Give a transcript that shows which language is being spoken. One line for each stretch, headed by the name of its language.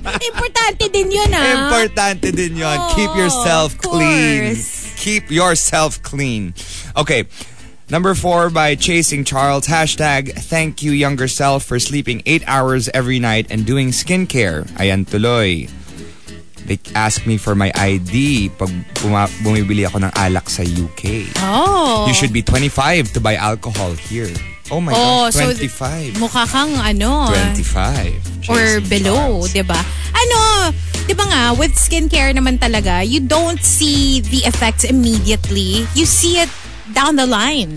Filipino: Importante din yun, ah. Importante din yun.
English: Oh, keep yourself clean. Keep yourself clean. Okay. Number four by Chasing Charles. Hashtag, thank you, younger self, for sleeping 8 hours every night and doing skincare.
Filipino: Ayan tuloy.
English: They ask me for my ID
Filipino: pag bumibili ako ng alak sa
English: UK. Oh. You should be 25 to buy alcohol here. Oh my oh, gosh, 25.
Filipino: So mukha kang ano.
English: 25. Or below, di ba?
Filipino: Ano, di ba nga,
English: with skincare
Filipino: naman talaga,
English: you don't see the effects immediately. You see it down the line.